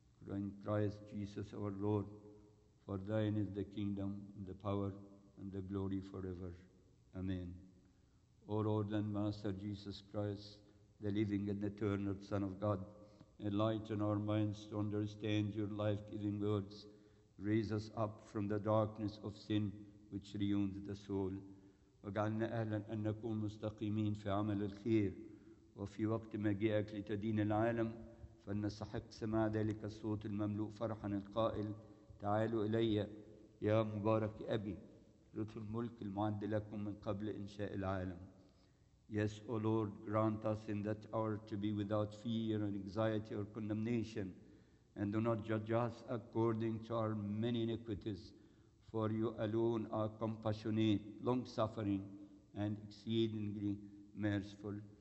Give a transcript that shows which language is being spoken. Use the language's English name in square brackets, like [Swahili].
[English] In Christ Jesus our Lord, for thine is the kingdom, the power, and the glory forever. Amen. O Lord and Master Jesus Christ, the living and eternal Son of God, enlighten our minds to understand your life-giving words. Raise us up from the darkness of sin which ruins the soul. [Arabic] وجعلنا أهلا أن نكون مستقيمين في عمل الخير وفي وقت مجيئك لتدين العالم، فلنستحق سماع ذلك الصوت المملوء فرحا القائل: تعالوا إلي يا مبارك أبي، رث الملك المعد لكم من قبل إنشاء العالم. [English] Yes, O Lord, grant us in that hour to be without fear and anxiety or condemnation, and do not judge us according to our many iniquities. For you alone are compassionate, long-suffering, and exceedingly merciful.